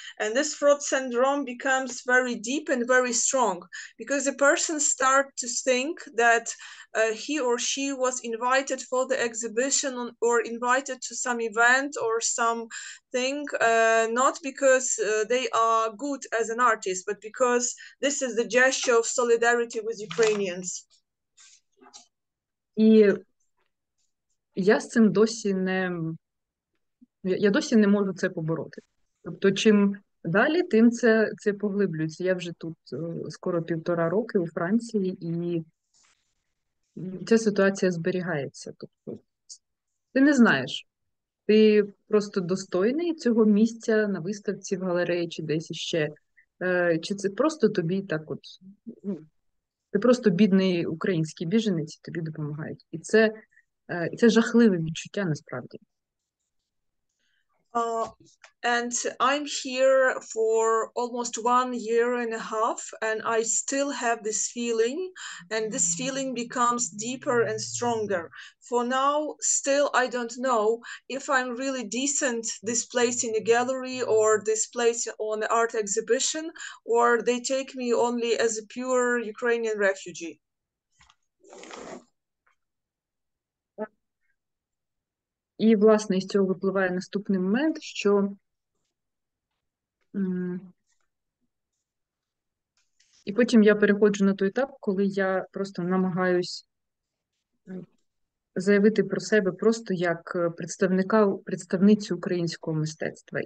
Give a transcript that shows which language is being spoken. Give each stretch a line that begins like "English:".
English: And this fraud syndrome becomes very deep and very strong because the person starts to think that he or she was invited for the exhibition or invited to some event or something, not because they are good as an artist, but because this is the gesture of solidarity with Ukrainians. Yeah.
Ukrainian: Я з цим досі не, я досі не можу це побороти. Тобто, чим далі, тим це поглиблюється. Я вже тут скоро півтора роки у Франції, і ця ситуація зберігається. Тобто, ти не знаєш, ти просто достойний цього місця на виставці, в галереї чи десь іще. Чи це просто тобі так от, ти просто бідний український біженець, тобі допомагають. І це... Це жахливе відчуття насправді.
English: And I'm here for almost 1 year and a half, and I still have this feeling, and this feeling becomes deeper and stronger. For now, still I don't know if I'm really decent displaced in a gallery or displaced on an art exhibition, or they take me only as a pure Ukrainian refugee.
Ukrainian: І, власне, з цього випливає наступний момент, що і потім я переходжу на той етап, коли я просто намагаюсь заявити про себе просто як представницю українського мистецтва.